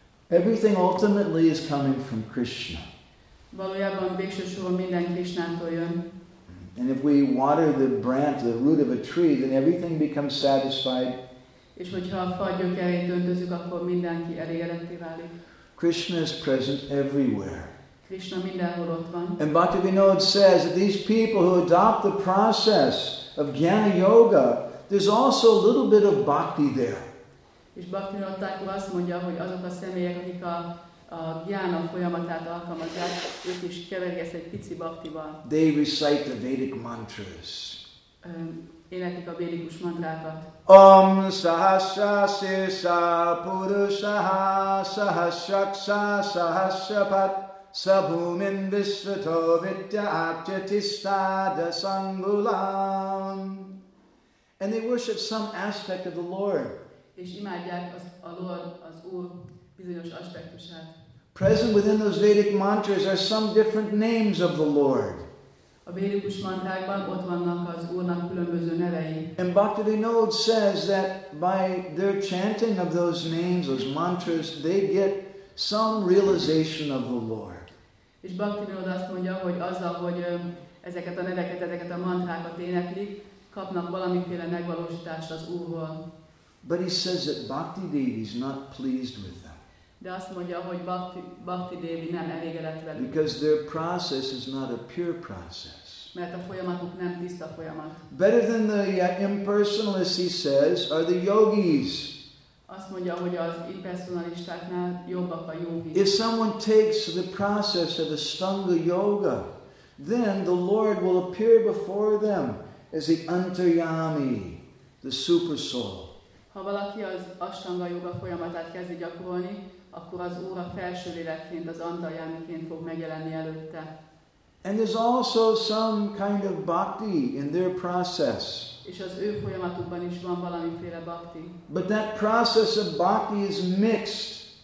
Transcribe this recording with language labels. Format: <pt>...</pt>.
<en>Everything ultimately is coming from Krishna.</en> <hu>Valójában végső soron minden Krishnától jön.</hu> <en>And if we water the branch, the root of a tree, then everything becomes satisfied.</en> <hu>És hogyha a fa gyökerét öntözzük, akkor mindenki elégedetté válik.</hu> <en>Krishna is present everywhere.</en> <hu>Krishna mindenhol ott van.</hu> <en>And Bhaktivinoda says that these people who adopt the process of Jnana Yoga, there's also a little bit of bhakti there.</en> <hu>És Bhaktivinoda Thakur azt mondja, hogy azok a személyek, akik a jnana folyamatát alkalmazzák, ők is keverjesz egy pici bhaktival.</hu> <en>They recite the Vedic mantras.</en> <hu>Énekik a védikus mantrákat.</hu> <sa>Om sahasra sirsa purushaha sahasraksa sahasrapat sabhumin visvato vidya akjatistada sangulam.</sa> <en>And they worship some aspect of the Lord.</en> <hu>És imádják a Lord, az Úr bizonyos aspektusát.</hu> <en>Present within those Vedic mantras are some different names of the Lord.</en> <hu>A védikus mantrákban ott vannak az Úrnak különböző nevei.</hu> <en>And Bhaktivinoda says that by their chanting of those names, those mantras, they get some realization of the Lord.</en> <hu>És Bhaktivinoda azt mondja, hogy azzal, hogy ezeket a neveket, ezeket a mantrákat éneklik, kapnak valamiféle megvalósítást az Úrról.</hu> <en>But he says that Bhakti Devi is not pleased with them.</en> <hu>De azt mondja, hogy Bhakti Devi nem elégedett velük.</hu> <en>Because their process is not a pure process.</en> <hu>Mert a folyamatuk nem tiszta folyamat.</hu> <en>Better than the impersonalists, he says, are the yogis.</en> <hu>Azt mondja, hogy az impersonalistáknál jobbak a yogis.</hu> <en>If someone takes the process of Ashtanga Yoga, then the Lord will appear before them as the Antaryami, the super soul.</en> <hu>Ha valaki az Ashtanga Yoga folyamatát kezdi gyakorolni, akkor az Úr a felső lélekként, az Antaryamiként fog megjelenni előtte.</hu> <en>And there's also some kind of bhakti in their process.</en> <hu>És az ő folyamatukban is van valamiféle bhakti.</hu> <en>But that process of bhakti is mixed.</en>